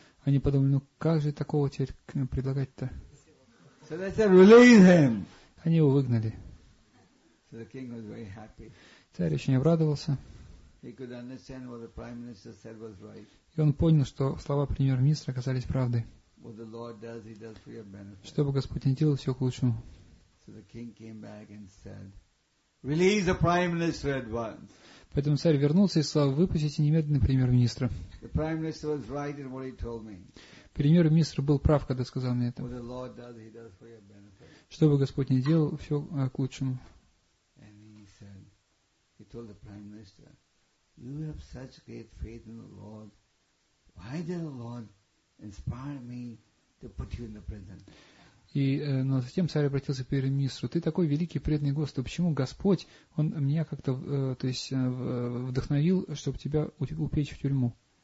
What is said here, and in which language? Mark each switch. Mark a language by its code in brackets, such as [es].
[ru] Они подумали, ну как же такого теперь предлагать-то? [en] So they said, release him. [ru] Они его выгнали. [en] So the king was very happy. [ru] Царь очень обрадовался. [en] He could understand what the prime minister said was right. [ru] И он понял, что слова премьер-министра оказались правдой. [en] What the Lord does, he does for your benefit. [ru] Чтобы Господь не делал, все к лучшему. [en] So the king came back and said, "Release the prime minister at once." [ru] Поэтому царь вернулся и сказал, выпустите немедленно премьер-министра. [en] The prime minister was right in what he told me. [ru] Премьер-министр был прав, когда сказал мне это. [en] What the Lord does, he does for your benefit. [ru] Что бы Господь ни делал, все к лучшему. [en] And he said, he told the prime minister, "You have such great faith in the Lord. Why did the Lord inspire me to put you in the prison?" [ru] И, но затем царь обратился к премьер-министру. Ты такой великий преданный Господу. Почему Господь, Он меня как-то то есть, вдохновил, чтобы тебя упечь в тюрьму?